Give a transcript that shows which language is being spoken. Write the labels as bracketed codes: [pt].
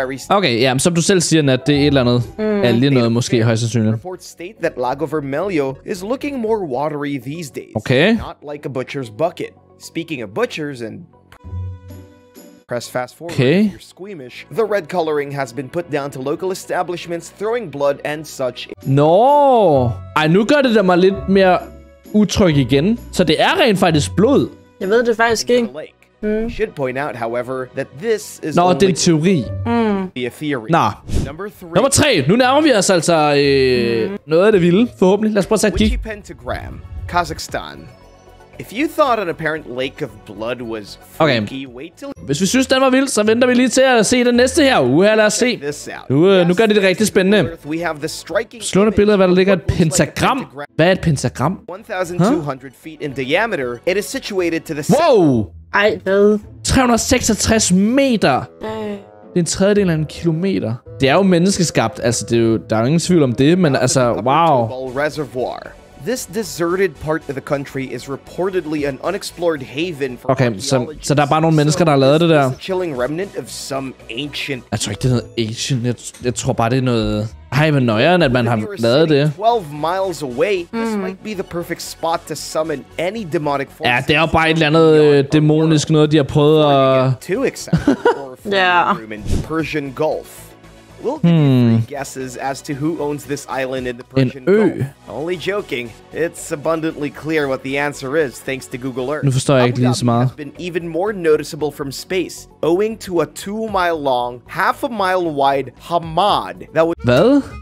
[da] Okay, ja, som du selv siger, at det er et eller andet alien noget, måske højst sandsynligt. [en] Reports state that Lago Vermelho is looking more watery these days. Okay. Not like a butcher's bucket. Speaking of butchers and... Press fast forward. Okay. You're squeamish. The red coloring has been put down to local establishments throwing blood and such. No. [da] Ej, nu gør det da mig lidt mere utryg igen. Så det er rent faktisk blod. Jeg ved det faktisk ikke. [en] Should point out, however, that this is [da] Nå, det er en teori. [en] Be a [da] theory. Nå. Nummer 3. Nu nærmer vi os altså noget af det vilde, forhåbentlig. Lad os prøve at sætte kig. [en] Wichipentagram, Kazakhstan. If you thought an apparent lake of blood was freaky, wait till... [da] Hvis vi synes, den var vild, så venter vi lige til at se den næste her. Lad os se. Nu gør det det rigtig spændende. Slående billede af, hvad der ligger et pentagram. Hvad er et pentagram? [en] 1,200 feet in diameter. It is situated to the... Wow! [da] Ej, hvad? 366 meter! Det er en tredjedel af en kilometer. Det er jo menneskeskabt, altså det er jo, der er jo ingen tvivl om det, men altså, wow. [en] Reservoir. This deserted part of the country is reportedly an unexplored haven for archaeologists. [da] Okay, så der er bare nogle mennesker, der har lavet det der. [en] Chilling remnant of some ancient... [da] Jeg tror ikke, det er noget ancient. Jeg tror bare, det er noget... Ej, men nøjeren, at man har lavet det. [en] 12 miles away, this might be the perfect spot to summon any demonic force. [da] Ja, det er jo bare et eller andet dæmonisk noget, de har prøvet at... [en] Too excited. Yeah. Persian Gulf. We'll give you three guesses as to who owns this island in the Persian Gulf. Only joking. It's abundantly clear what the answer is, thanks to Google Earth. [da] Nu forstår jeg ikke lige så meget. [en] It's been even more noticeable from space, owing to a 2-mile-long, half-a-mile-wide hamad that was... [da] Hvad?